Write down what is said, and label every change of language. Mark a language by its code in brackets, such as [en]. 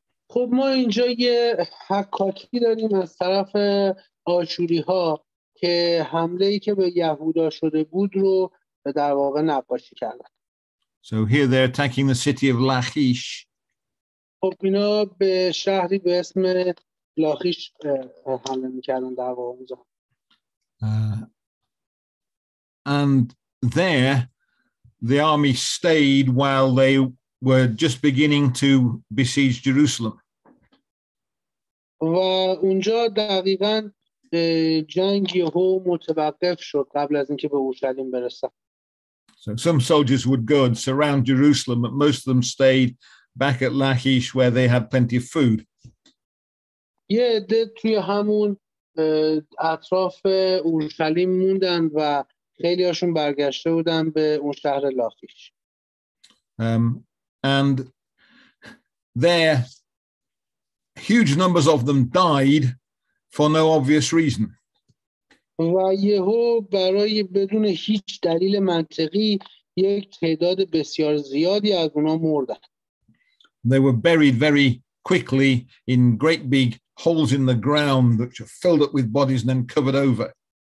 [fa] خب ما اینجا یه حکاکی داریم از طرف آشوری‌ها که حمله‌ای که به یهودا شده بود رو به در واقع نقاشی کردن. [en] So here they're attacking the city of Lachish. [fa] خب اینا به شهری به اسم لاخیش حمله می‌کردن در واقع اونجا. [en] And there the army stayed while they were just beginning to besiege Jerusalem. [fa] و اونجا دقیقاً جنگ یهو متوقف شد قبل از اینکه به اورشلیم برسن. [en] So some soldiers would go and surround Jerusalem, but most of them stayed back at Lachish where they had plenty of food. [fa] Yeah, ده توی همون اطراف اورشلیم موندن و خیلی هاشون برگشته بودن به اون شهر لاخیش. [en] And there, huge numbers of them died for no obvious reason. [fa] و یهو برای بدون هیچ دلیل منطقی یک تعداد بسیار زیادی از اونا مردن. [en] They were buried very quickly in great big holes in the ground which are filled up with bodies and then covered over.